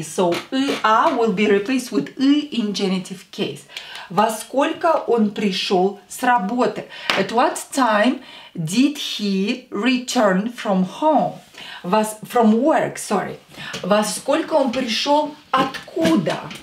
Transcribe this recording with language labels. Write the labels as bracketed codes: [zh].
[en] So, ea will be replaced with e in genitive case. [ru] Во сколько он пришел с работы? [en] At what time did he return from home? From work, sorry. [ru] Во сколько он пришел откуда?